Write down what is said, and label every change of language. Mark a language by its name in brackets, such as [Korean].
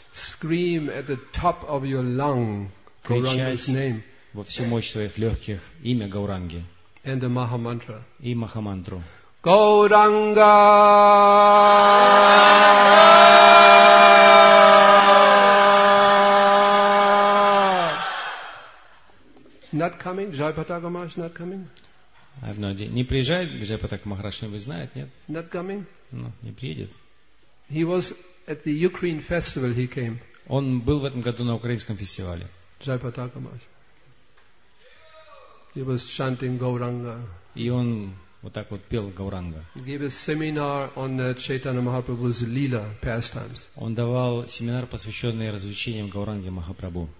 [English] Scream at the top of your lung Gauranga's name. [Russian] Во всю мощь своих легких имя Гауранги. [English] And the Maha Mantra. [Russian] И Махамантру. [English] Gauranga! Not coming? Jayapataka Maharaj not coming? I have no idea. [Russian] Не приезжает Jayapataka Maharaj, что-нибудь знает, нет? [English] Not coming? [Russian] No, не приедет. [English] He was at the Ukraine festival, he came. [Russian] Он был в этом году на украинском фестивале. [English] Jayapataka Maharaj. He was chanting Gauranga. [Russian] И он вот так вот пел Гауранга. [English] Gave a seminar on Chaitanya Mahaprabhu's Lila pastimes. [Russian] Он давал семинар, посвященный развлечениям Гауранги Махапрабху.